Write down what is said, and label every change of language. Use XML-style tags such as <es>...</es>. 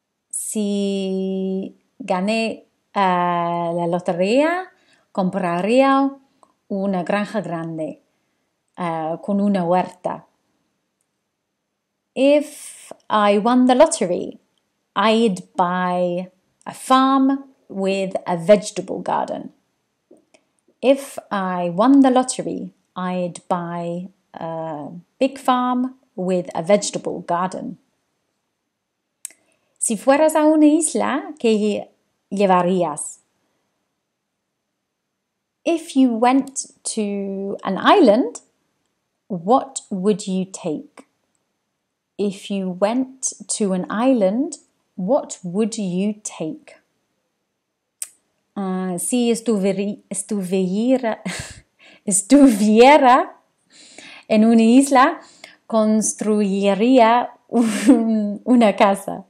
<es>Si gané la lotería, compraría una granja grande con una huerta.</es> <en>If I won the lottery, I'd buy a farm with a vegetable garden. If I won the lottery, I'd buy a big farm with a vegetable garden.</en> <es>Si fueras a una isla, ¿qué llevarías?</es> <en>If you went to an island, what would you take? If you went to an island, what would you take?</en> <es>Si estuviera en una isla, construiría una casa.</es>